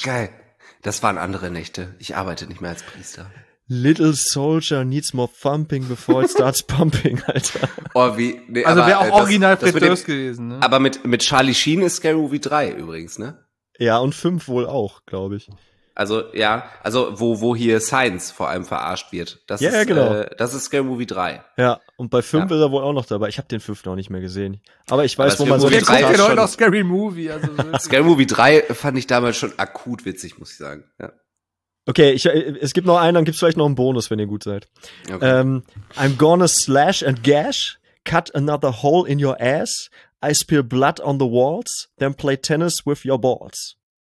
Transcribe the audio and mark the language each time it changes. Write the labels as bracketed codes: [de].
[de] Ach geil, das waren andere Nächte. Ich arbeite nicht mehr als Priester. [en] Little Soldier needs more thumping before it starts pumping, [de] Alter. Oh, wie. Nee, also wäre auch original Fred Durst gewesen, ne? Aber mit Charlie Sheen ist Scary Movie 3 übrigens, ne? Ja, und 5 wohl auch, glaube ich. Also, ja, also wo hier Science vor allem verarscht wird. Das ja, ist, ja, genau. Das ist Scary Movie 3. Ja, und bei 5 ist er wohl auch noch dabei. Ich habe den 5 noch nicht mehr gesehen. Aber ich weiß, aber wo man so ist. Wir gucken heute noch Scary Movie. Also Scary Movie 3 fand ich damals schon akut witzig, muss ich sagen, ja. Okay, es gibt noch einen, dann gibt's vielleicht noch einen Bonus, wenn ihr gut seid. Okay. [en] I'm gonna slash and gash, cut another hole in your ass, I spill blood on the walls, then play tennis with your balls.